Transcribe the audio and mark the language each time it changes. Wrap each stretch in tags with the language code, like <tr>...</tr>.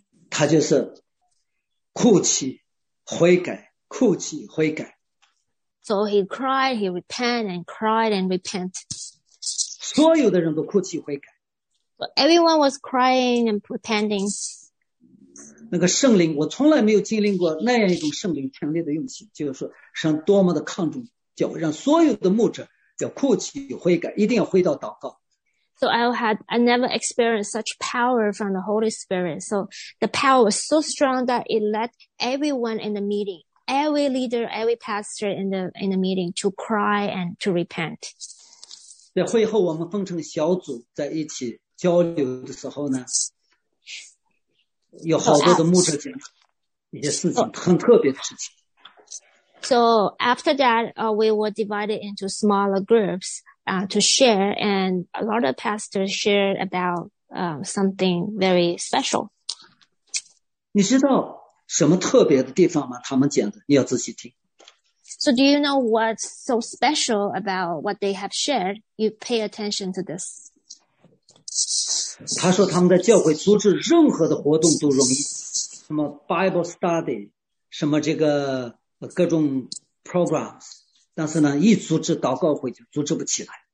<zh>他就是。哭泣悔改哭泣悔改</zh> <en>So he cried, he repented and cried and repent.</en> <zh>所有的人都哭泣悔改</zh> <en>So everyone was crying and repenting.</en> <zh>那个圣灵我从来没有经历过那样一种圣灵强烈的运行就是说神多么的看重教会让所有的牧者要哭泣悔改一定要回到祷告</zh> <en>So I never experienced such power from the Holy Spirit. So the power was so strong that it led everyone in the meeting, every leader, every pastor in the meeting to cry and to repent.</en> <zh>在会后我们分成小组在一起交流的时候呢，有好多的牧者讲一些事情，很特别的事情。</zh> <en>So after that, we were divided into smaller groups. To share, and a lot of pastors share about something very special.</en> <zh>你知道什么特别的地方吗？他们讲的，你要仔细听。</zh> <en>So do you know what's so special about what they have shared? You pay attention to this.</en> <zh>他说他们在教会组织任何的活动都容易，什么 Bible study, 什么这个各种 programs。但是呢，一组织祷告会就组织不起来。</zh>